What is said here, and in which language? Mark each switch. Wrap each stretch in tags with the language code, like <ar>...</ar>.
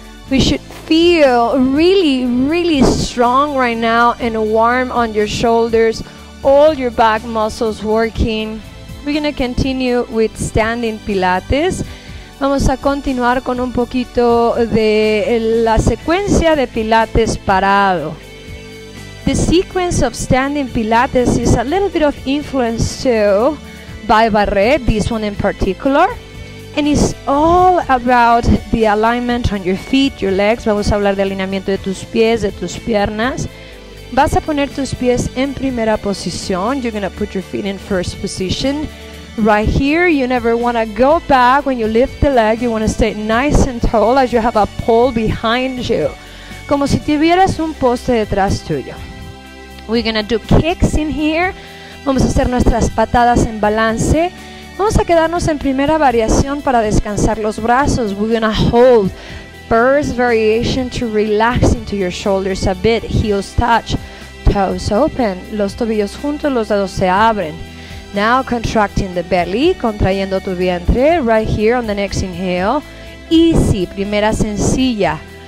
<en>We should feel really, really strong right now and warm on your shoulders, all your back muscles working. We're going to continue with standing Pilates.</en> <es>Vamos a continuar con un poquito de la secuencia de Pilates parado.</es> <en>The sequence of standing Pilates is a little bit of influence too by Barre, this one in particular. And it's all about the alignment on your feet, your legs.</en> <es>Vamos a hablar de alineamiento de tus pies, de tus piernas. Vas a poner tus pies en primera posición.</es> <en>You're going to put your feet in first position. Right here, you never want to go back. When you lift the leg, you want to stay nice and tall as you have a pole behind you.</en> <es>Como si tuvieras un poste detrás tuyo.</es> <en>We're going to do kicks in here.</en> <es>Vamos a hacer nuestras patadas en balance. Vamos a quedarnos en primera variación para descansar los brazos.</es> <en>We're going to hold first variation to relax into your shoulders a bit. Heels touch, toes open.</en> <es>Los tobillos juntos, los dedos se abren.</es> <en>Now contracting the belly,</en> <es>contrayendo tu vientre.</es> <en>Right here on the next inhale. Easy,</en> <es>primera sencilla.</es>